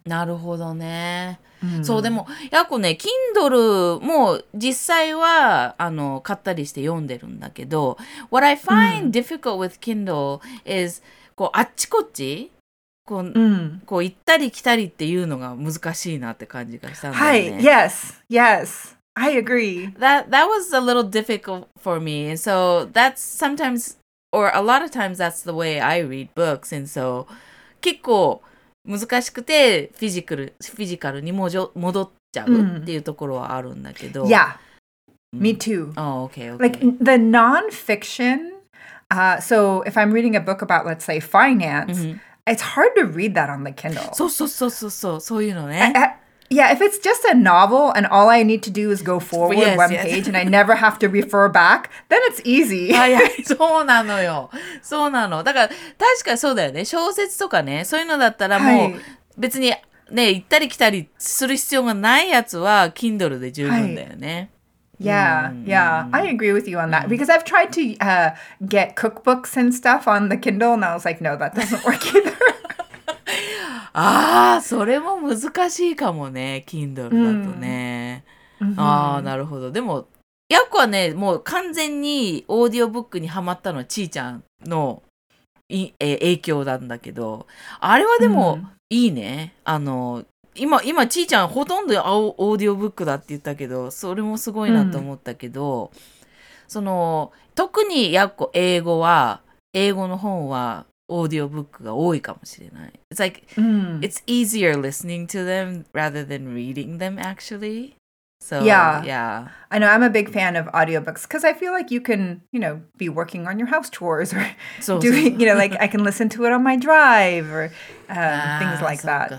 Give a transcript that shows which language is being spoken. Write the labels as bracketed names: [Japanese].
[Japanese] なるほどね。そう、でも、やっこね、Kindle も実際は買ったりして読んでるんだけど、 [English] What I find difficult with Kindle is [Japanese] こうあっちこっち、こう行ったり来たりっていうのが難しいなって感じがしたんだよね。 [English] はい、Yes, yes, I agree. That was a little difficult for me. And so that's sometimes, or a lot of times that's the way I read books. And so... [Japanese] 結構難しくてフィジカルに戻っちゃうっていうところはあるんだけど。 [English] Yeah, me too. Oh, okay, okay. Like the non-fiction, so if I'm reading a book about, let's say, finance, it's hard to read that on the Kindle. [Japanese] そういうのね。 [English] Yeah, if it's just a novel and all I need to do is go forward yes, one yes. page and I never have to refer back, then it's easy. [Japanese] はいはい、そうなのよ。そうなの。だから、確かそうだよね。小説とかね、そういうのだったらもう、別にね、行ったり来たりする必要がないやつは、Kindle で十分だよね。 [English] Yeah, yeah, I agree with you on that. Because I've tried to get cookbooks and stuff on the Kindle and I was like, no, that doesn't work either. [Japanese] ああ、それも難しいかもね、Kindle だとね。ああ、なるほど。でも、ヤコはね、もう完全にオーディオブックにハマったのはちーちゃんの影響なんだけど、あれはでもいいね。今ちーちゃんほとんどオーディオブックだって言ったけど、それもすごいなと思ったけど、その、特にヤコ英語は、英語の本は、audiobook が多いかもしれない。 [English] It's like, it's easier listening to them rather than reading them, actually. So, yeah. I know, I'm a big fan of audiobooks because I feel like you can, you know, be working on your house chores or doing, you know, like I can listen to it on my drive or things like that.